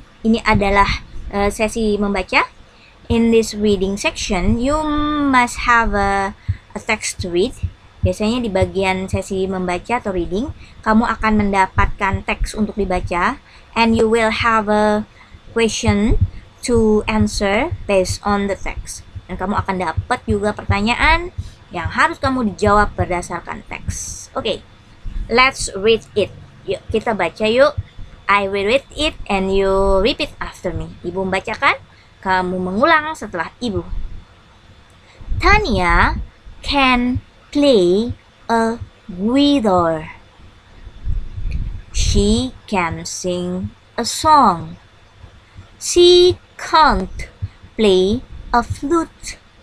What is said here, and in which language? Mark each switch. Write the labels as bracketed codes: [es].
[id] Ini adalah sesi membaca. [en] In this reading section, you must have a text to read. [id] Biasanya di bagian sesi membaca atau reading, kamu akan mendapatkan teks untuk dibaca. [en] And you will have a question to answer based on the text. [id] Dan kamu akan dapat juga pertanyaan yang harus kamu dijawab berdasarkan teks. [en] Okay, let's read it. [id] Yuk, kita baca yuk. [en] I will read it and you repeat after me. [id] Ibu membacakan. Kamu mengulang setelah ibu. [en] Tanya can play a guitar. She can sing a song. She can't play a flute.